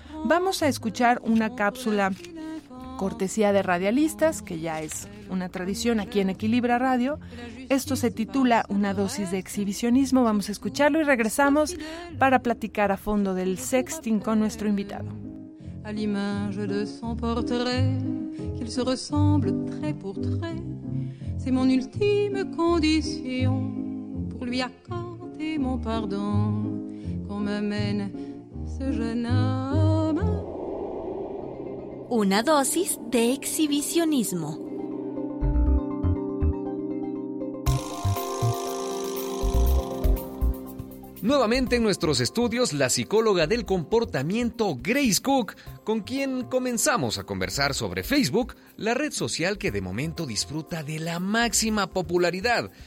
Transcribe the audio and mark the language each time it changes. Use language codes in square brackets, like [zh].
[es] Vamos a escuchar una cápsula cortesía de Radialistas, que ya es una tradición aquí en Equilibra Radio. Esto se titula Una dosis de exhibicionismo. Vamos a escucharlo y regresamos para platicar a fondo del sexting con nuestro invitado. [fr] A l'image de son portrait, qu'il se ressemble trait pour trait, c'est mon ultime condition pour lui accorder mon pardon, qu'on m'amène ce jeune homme. [es] Una dosis de exhibicionismo. Nuevamente en nuestros estudios, la psicóloga del comportamiento Grace Cook, con quien comenzamos a conversar sobre Facebook, la red social que de momento disfruta de la máxima popularidad.